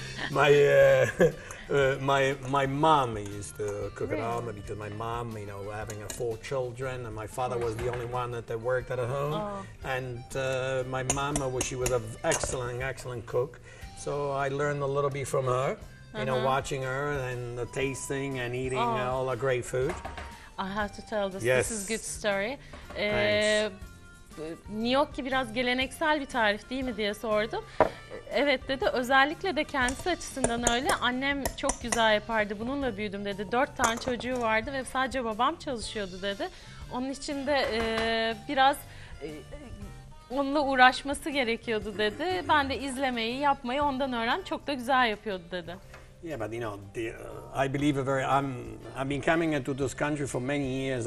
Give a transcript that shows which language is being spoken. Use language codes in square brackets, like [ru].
[en] my mom used to cook at home because my mom, you know, having four children, and my father was the only one that worked at home. Oh. And my mom, she was an excellent cook. So I learned a little bit from her, you know, watching her and the tasting and eating all the great food. I have to tell this. Yes. This is a good story. Thanks. [tr] Gnocchi biraz geleneksel bir tarif değil mi diye sordum. Evet dedi. Özellikle de kendisi açısından öyle. Annem çok güzel yapardı. Bununla büyüdüm dedi. 4 tane çocuğu vardı ve sadece babam çalışıyordu dedi. Onun için de biraz onunla uğraşması gerekiyordu dedi. Ben de izlemeyi, yapmayı ondan öğrendim. Çok da güzel yapıyordu dedi. [en] Yeah, but you know, I believe a very. I've been coming into this country for many years.